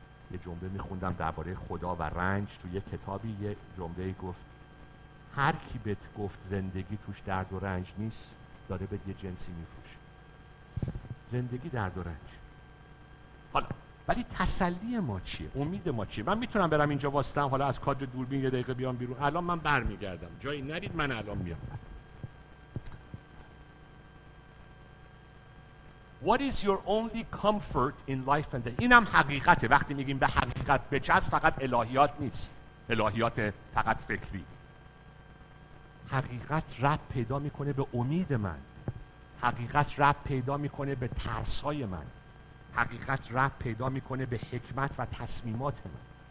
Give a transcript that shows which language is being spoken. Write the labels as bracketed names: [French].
[Persian] یه جمله میخوندم درباره خدا و رنج، تو یه کتابی یه جمله گفت هر کی بهت گفت زندگی توش درد و رنج نیست، داره بهت یه جنسی میفروشه. زندگی درد و رنج. حالا ولی تسلی ما چیه؟ امید ما چیه؟ من میتونم برم اینجا واستم، حالا از کادر دوربین یه دقیقه بیام بیرون، الان من برمیگردم، جایی نرید، من الان میام. [English] What is your only comfort in life and death? [Persian] اینم حقیقته. وقتی میگیم به حقیقت بچسب، فقط الهیات نیست، الهیات فقط فکری. حقیقت رب پیدا میکنه به امید من، حقیقت رب پیدا میکنه به ترسای من، حقیقت رب پیدا میکنه به حکمت و تصمیمات من.